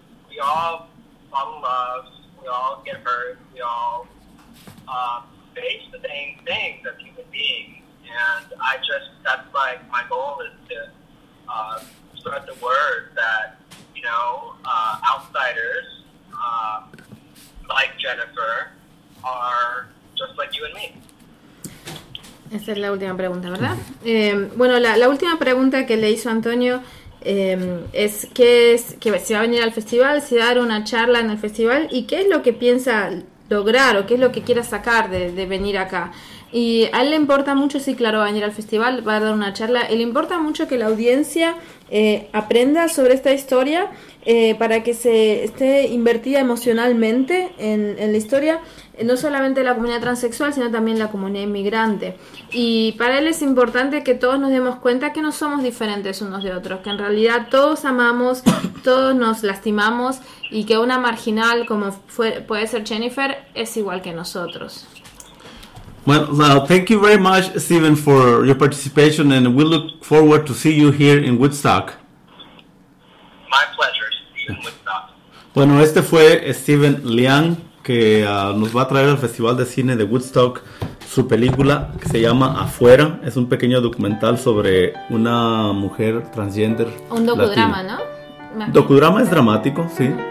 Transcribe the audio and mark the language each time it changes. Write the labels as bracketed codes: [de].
[en] We all fall in love, we all get hurt, we all face the same things as human beings, and that's like my goal is to spread the word that, you know, outsiders, like Jennifer, are just like you and me. [es] Esa es la última pregunta, ¿verdad? Bueno, la última pregunta que le hizo Antonio es qué es que si va a venir al festival, si va a dar una charla en el festival y qué es lo que piensa lograr o qué es lo que quiera sacar de venir acá. Y a él le importa mucho, sí, claro, va a venir al festival, va a dar una charla. Y le importa mucho que la audiencia aprenda sobre esta historia para que se esté invertida emocionalmente en la historia, no solamente la comunidad transexual, sino también la comunidad inmigrante. Y para él es importante que todos nos demos cuenta que no somos diferentes unos de otros, que en realidad todos amamos, todos nos lastimamos, y que una marginal como puede ser Jennifer es igual que nosotros. [en] Well, thank you very much, Stephen, for your participation, and we look forward to see you here in Woodstock. My pleasure, Stephen. [es] Bueno, este fue Stephen Liang, que nos va a traer al Festival de Cine de Woodstock su película, que se llama Afuera. Es un pequeño documental sobre una mujer transgender. Un docudrama, latina. ¿No? Docudrama es dramático, sí.